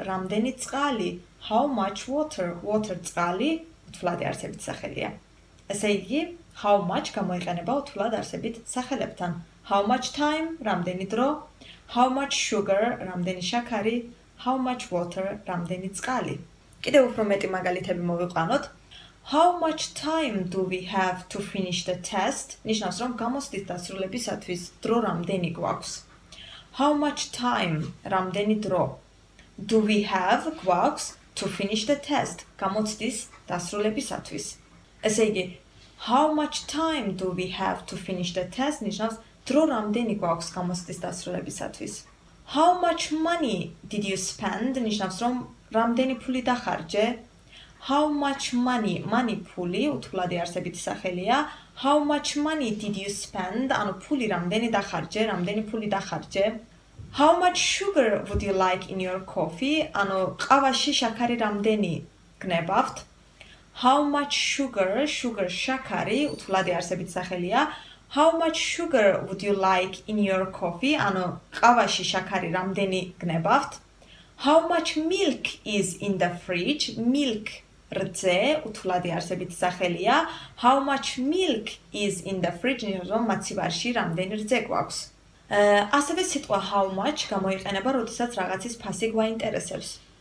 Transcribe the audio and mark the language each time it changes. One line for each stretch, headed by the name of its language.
Georgian: რამდენი წყალი?
English: How much water?
Georgian: Water წყალი უთვლადი არსებით სახელია. ესე იგი, how much გამოიყენება უთვლად არსებით სახელებთან.
English: How much time?
Georgian: რამდენი დრო?
English: How much sugar?
Georgian: რამდენი შაქარი?
English: How much water?
Georgian: რამდენი წყალი? კიდევ უფრო მეტი მაგალითები მოვიყვანოთ.
English: How much time do we have to finish the test?
Georgian: ნიშნავს რომ გამოცდის დასრულებისათვის დრო რამდენი გვაქვს?
English: How much time?
Georgian: რამდენი დრო?
English: Do we have gloves to finish the test?
Georgian: გამოცდის დასრულებისათვის. ესე იგი,
English: how much time do we have to finish the test?
Georgian: ნიშნავს დრო რამდენი გვაქვს გამოცდის დასრულებისათვის.
English: How much money did you spend?
Georgian: ნიშნავს რომ რამდენი ფული დახარჯე.
English: How much money?
Georgian: Money ფული უთვლადი არსებითი სახელია.
English: How much money did you spend?
Georgian: ანუ ფული რამდენი დახარჯე, რამდენი ფული დახარჯე?
English: How much sugar would you like in your coffee?
Georgian: ანუ ყავაში შაქარი რამდენი გნებავთ?
English: How much sugar?
Georgian: Sugar შაქარი უთვლადი არსებითი სახელია.
English: How much sugar would you like in your coffee?
Georgian: ანუ ყავაში შაქარი რამდენი გნებავთ?
English: How much milk is in the fridge?
Georgian: Milk რძე უთვლადი არსებითი სახელია.
English: How much milk is in the fridge?
Georgian: ნიშნავს მაცივარში რამდენი რძე გვაქვს. ასევე სიტყვა how much გამოიყენება, როდესაც რაღაცის ფასი გვაინტერესებს.